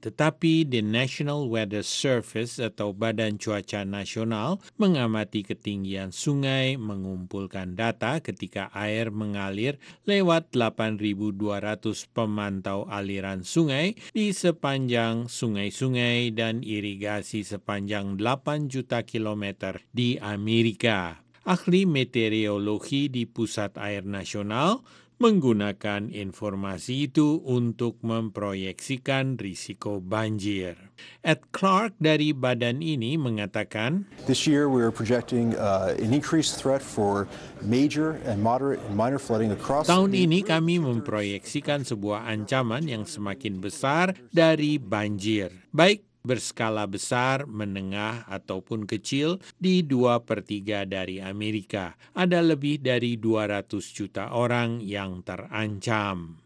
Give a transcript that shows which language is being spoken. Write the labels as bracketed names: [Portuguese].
[Indonesian] Tetapi the National Weather Service atau Badan Cuaca Nasional mengamati ketinggian sungai, mengumpulkan data ketika air mengalir lewat 8.200 pemantau aliran sungai di sepanjang sungai-sungai dan irigasi sepanjang 8 juta kilometer di Amerika. Ahli meteorologi di Pusat Air Nasional menggunakan informasi itu untuk memproyeksikan risiko banjir. Ed Clark dari badan ini mengatakan, [English] "This year we are projecting an increased threat for major and moderate and minor flooding across." [Indonesian] Tahun ini kami memproyeksikan sebuah ancaman yang semakin besar dari banjir. Baik berskala besar, menengah, ataupun kecil di 2/3 dari Amerika. Ada lebih dari 200 juta orang yang terancam.